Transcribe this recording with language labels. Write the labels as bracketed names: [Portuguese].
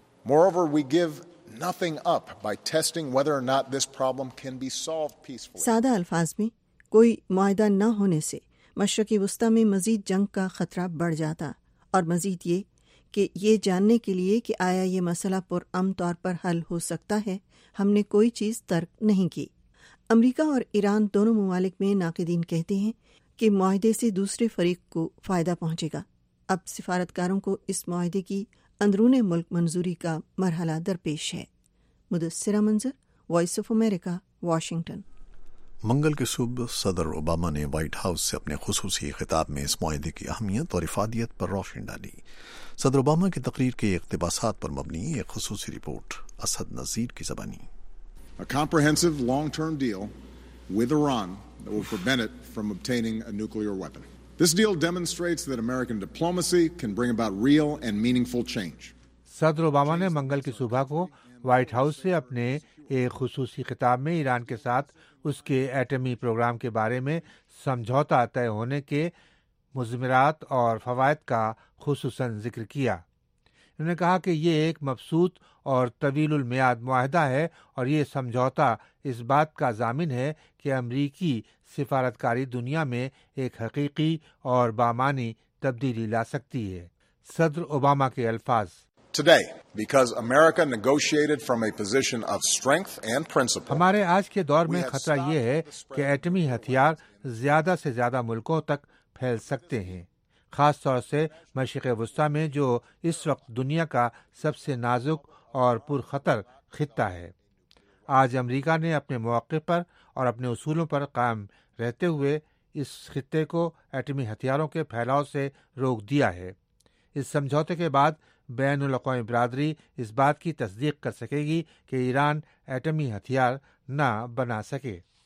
[English] Moreover, we give nothing up by testing whether or not this problem can be solved peacefully. [Urdu] سادہ الفاظ میں، کوئی معاہدہ نہ ہونے سے مشرقی وسطی میں مزید جنگ کا خطرہ بڑھ جاتا، اور مزید یہ کہ یہ جاننے کے لیے کہ آیا یہ مسئلہ پرامن طور پر حل ہو سکتا ہے، ہم نے کوئی چیز ترک نہیں کی۔ امریکہ اور ایران دونوں ممالک میں ناقدین کہتے ہیں کہ معاہدے سے دوسرے فریق کو فائدہ پہنچے گا۔ اب سفارتکاروں کو اس معاہدے کی اندرون ملک منظوری کا مرحلہ درپیش ہے۔ مدثرہ منظر، وائس آف امریکہ، واشنگٹن۔ منگل کے صبح صدر اوباما نے وائٹ ہاؤس سے اپنے خصوصی خطاب میں اس معاہدے کی اہمیت اور افادیت پر روشنی ڈالی۔ صدر اوباما کی تقریر کے اقتباسات پر مبنی ایک خصوصی رپورٹ اسد نذیر کی زبانی۔ [English] A comprehensive long-term deal with Iran that will prevent it from obtaining a nuclear weapon. This deal demonstrates that American diplomacy can bring about real and meaningful change. [Urdu] صدر اوباما نے منگل کی صبح کو وائٹ ہاؤس سے اپنے ایک خصوصی خطاب میں ایران کے ساتھ اس کے ایٹمی پروگرام کے بارے میں سمجھوتا طے ہونے کے مضمرات اور فوائد کا خصوصاً ذکر کیا۔ انہوں نے کہا کہ یہ ایک مبسوط اور طویل المیاد معاہدہ ہے اور یہ سمجھوتا اس بات کا ضامن ہے کہ امریکی سفارتکاری دنیا میں ایک حقیقی اور بامانی تبدیلی لا سکتی ہے۔ صدر اوباما کے الفاظ، [English] Today, because America negotiated from a position of strength and principle, [Urdu] ہمارے آج کے دور میں خطرہ یہ ہے کہ ایٹمی ہتھیار زیادہ سے زیادہ ملکوں تک پھیل سکتے ہیں، خاص طور سے مشرق وسطی میں جو اس وقت دنیا کا سب سے نازک اور پرخطر خطہ ہے۔ آج امریکہ نے اپنے موقف پر اور اپنے اصولوں پر قائم رہتے ہوئے اس خطے کو ایٹمی ہتھیاروں کے پھیلاؤ سے روک دیا ہے۔ اس سمجھوتے کے بعد بین الاقوامی برادری اس بات کی تصدیق کر سکے گی کہ ایران ایٹمی ہتھیار نہ بنا سکے۔